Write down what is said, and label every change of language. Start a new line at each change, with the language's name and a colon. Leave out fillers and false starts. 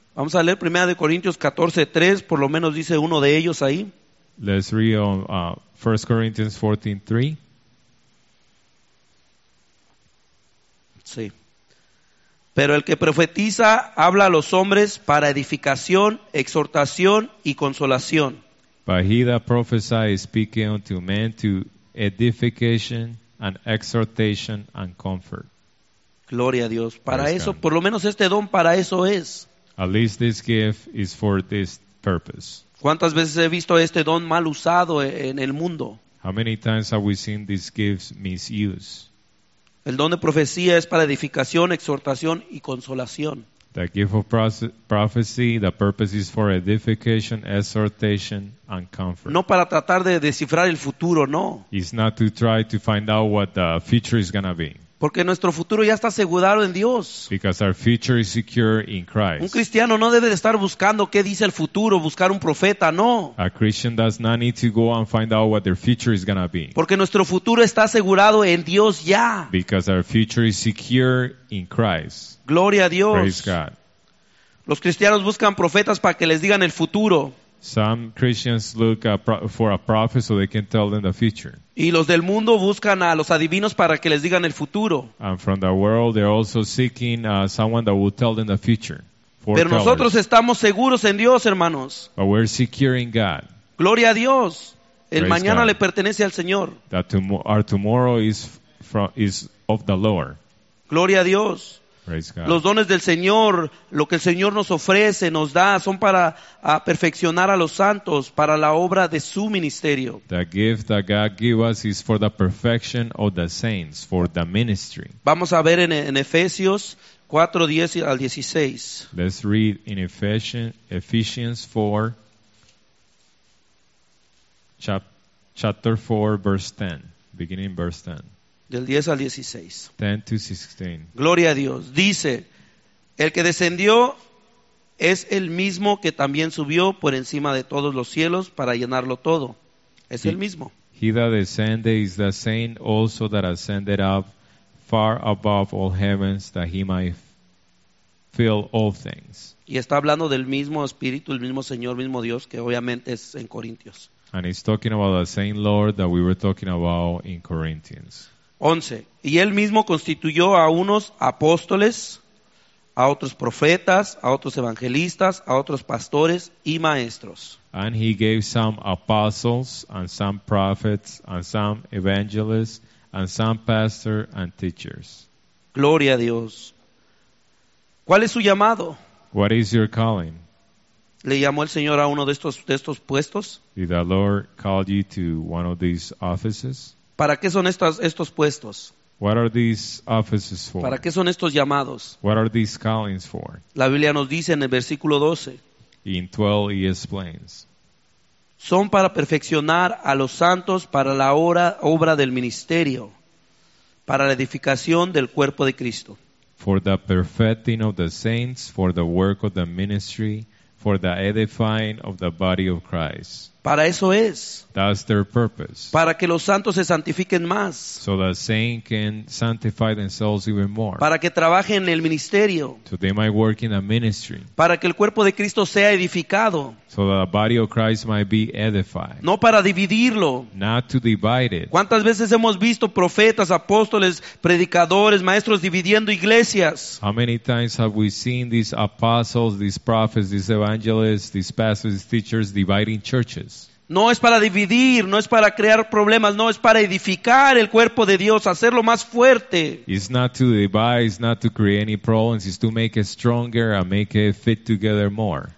Spanish: Vamos a leer 1 Corintios 14:3, por lo menos dice uno de ellos ahí.
English: Let's read 1 Corinthians 14:3.
Spanish: Sí. Pero el que profetiza habla a los hombres para edificación, exhortación y consolación.
English: But he that prophesies speaking unto men to edification and exhortation and comfort.
Spanish: Gloria a Dios. Para eso, por lo menos este don para eso es.
English: At least this gift is for this purpose.
Spanish: ¿Cuántas veces he visto este don mal usado en el mundo?
English: How many times have we seen these gifts misused?
Spanish: El don de profecía es para edificación, exhortación y consolación.
English: The gift of prophecy, the purpose is for edification, exhortation, and comfort.
Spanish: No para tratar de descifrar el futuro, no.
English: It's not to try to find out what the future is going to be.
Spanish: Porque nuestro futuro ya está asegurado en Dios.
English: Because our future is secure in Christ.
Spanish: Un cristiano no debe de estar buscando qué dice el futuro, buscar un profeta, no.
English: A Christian does not need to go and find out what their future is gonna be.
Spanish: Porque nuestro futuro está asegurado en Dios ya.
English: Because our future is secure in Christ.
Spanish: Gloria a Dios.
English: Praise God.
Spanish: Los cristianos buscan profetas para que les digan el futuro.
English: Some Christians look for a prophet so they can tell them the future.
Spanish: Y los del mundo buscan a los adivinos para que les digan el futuro.
English: And from the world, they're also seeking someone that will tell them the future.
Spanish: Pero nosotros estamos seguros en Dios, hermanos.
English: But we're secure in God.
Spanish: Gloria a Dios. El mañana le pertenece al Señor.
English: That our tomorrow is of the Lord.
Spanish: Gloria a Dios.
English: Praise God.
Spanish: Los dones del Señor, lo que el Señor nos ofrece, nos da, son para perfeccionar a los santos, para la obra de su ministerio.
English: The gift that God gives us is for the perfection of the saints, for the ministry.
Spanish: Vamos a ver en Efesios 4, 10 al 16.
English: Let's read in Ephesians 4, chapter 4, verse 10, beginning verse 10.
Spanish: Del 10 al 16.
English: 10 to 16.
Spanish: Gloria a Dios. Dice, el que descendió es el mismo que también subió por encima de todos los cielos para llenarlo todo. Es el mismo.
English: He that descended is the same also that ascended up far above all heavens that he might fill all things.
Spanish: Y está hablando del mismo Espíritu, el mismo Señor, mismo Dios, que obviamente es en Corintios.
English: And he's talking about the same Lord that we were talking about in Corinthians. 11.
Spanish: Y él mismo constituyó a unos apóstoles, a otros profetas, a otros evangelistas, a otros pastores y maestros.
English: And he gave some apostles, and some prophets, and some evangelists, and some pastors and teachers.
Spanish: Gloria a Dios. ¿Cuál es su llamado?
English: What is your calling?
Spanish: ¿Le llamó el Señor a uno de estos puestos?
English: Did the Lord call you to one of these offices?
Spanish: ¿Para qué son estos puestos?
English: What are these offices for?
Spanish: ¿Para qué son estos llamados?
English: What are these callings for?
Spanish: La Biblia nos dice en el versículo 12.
English: In 12 he explains.
Spanish: Son para perfeccionar a los santos para la obra del ministerio, para la edificación del cuerpo de Cristo.
English: For the perfecting of the saints, for the work of the ministry, for the edifying of the body of Christ.
Spanish: Para eso es.
English: That's their purpose.
Spanish: Para que los santos se santifiquen más.
English: So the saints can sanctify themselves even more.
Spanish: Para que trabajen en el ministerio.
English: So they might work in the ministry.
Spanish: Para que el cuerpo de Cristo sea edificado.
English: So the body of Christ might be edified.
Spanish: No para dividirlo.
English: Not to divide it.
Spanish: ¿Cuántas veces hemos visto profetas, apóstoles, predicadores, maestros dividiendo iglesias?
English: How many times have we seen these apostles, these prophets, these evangelists, these pastors, these teachers dividing churches?
Spanish: No es para dividir, no es para crear problemas, no es para edificar el cuerpo de Dios, hacerlo más fuerte.
English: It's not to divide, it's not to create any problems, it's to make it stronger and make it fit together more.